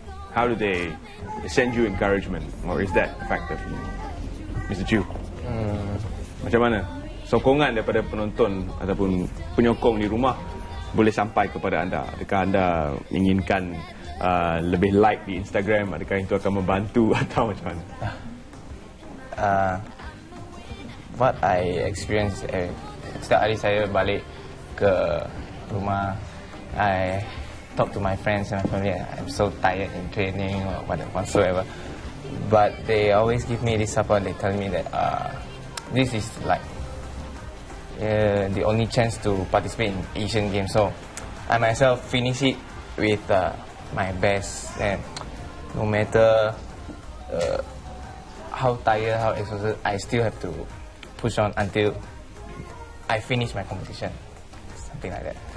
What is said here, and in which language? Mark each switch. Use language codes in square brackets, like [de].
[en] How do they send you encouragement, or is that a factor for you, Mr. Chew? [ms] Macam mana sokongan daripada penonton ataupun penyokong di rumah boleh sampai kepada anda? Adakah anda inginkan lebih like di Instagram? Adakah itu akan membantu atau macam mana? [en] What I experience [ms] setiap hari saya balik ke rumah, [en] I talk to my friends and my family. I'm so tired in training or whatsoever, but they always give me this support. They tell me that this is like the only chance to participate in Asian Games, so I myself finish it with my best, and no matter how tired, how exhausted, I still have to push on until I finish my competition, something like that.